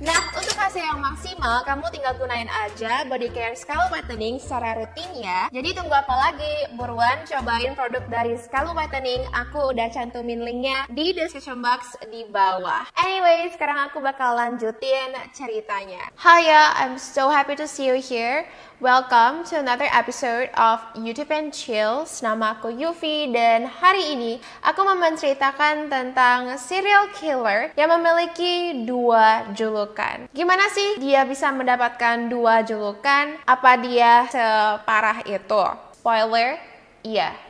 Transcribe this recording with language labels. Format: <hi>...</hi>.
<id>Nah, untuk hasil yang maksimal, kamu tinggal gunain aja body care Scarlett Whitening secara rutin ya. Jadi tunggu apa lagi? Buruan cobain produk dari Scarlett Whitening. Aku udah cantumin linknya di description box di bawah. Anyway, sekarang aku bakal lanjutin ceritanya.</id> <en>Hiya, I'm so happy to see you here. Welcome to another episode of YouTube and Chills.</en> <id>Nama aku Yufi dan hari ini aku mau menceritakan tentang serial killer yang memiliki 2 julukan. Gimana sih dia bisa mendapatkan 2 julukan? Apa dia separah itu? Spoiler, iya.</id>